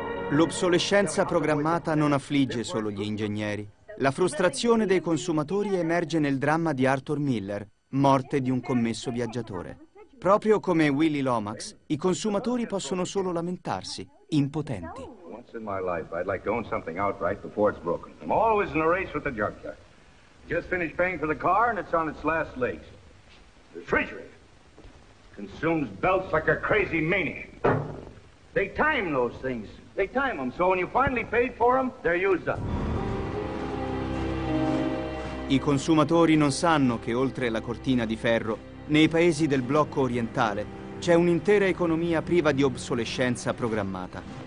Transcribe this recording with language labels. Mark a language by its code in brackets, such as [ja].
[it] L'obsolescenza programmata non affligge solo gli ingegneri. La frustrazione dei consumatori emerge nel dramma di Arthur Miller, morte di un commesso viaggiatore. Proprio come Willy Lomax, i consumatori possono solo lamentarsi, impotenti. [en] Once in my life I'd like to own something outright before it's broken. I'm always in a race with the junkyard. Just finished paying for the car and it's on its last legs. The treasury consumes belts like a crazy maniac. They time those things. They time them, so when you finally paid for them, they're used up. [it] I consumatori non sanno che oltre la cortina di ferro, nei paesi del blocco orientale, c'è un'intera economia priva di obsolescenza programmata.